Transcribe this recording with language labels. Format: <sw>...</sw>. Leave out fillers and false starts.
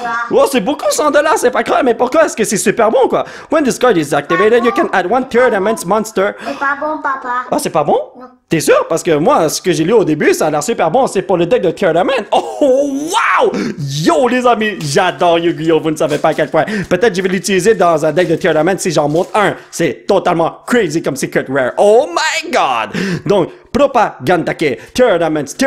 <fr>Oh, c'est beaucoup 100$, c'est pas grave, mais pourquoi est-ce que c'est super bon, quoi?</fr> <en>When this card is activated, bon. You can add one tournament monster.</en> <fr>C'est pas bon, papa. Ah, c'est pas bon? Non. T'es sûr? Parce que moi, ce que j'ai lu au début, ça a l'air super bon, c'est pour le deck de tournament. Oh, wow! Yo, les amis, j'adore Yu-Gi-Oh! Vous ne savez pas à quel point. Peut-être que je vais l'utiliser dans un deck de tournament si j'en monte un. C'est totalement crazy comme secret rare.</fr> <en>Oh my god! Donc, Propagandake, Tournaments.</en>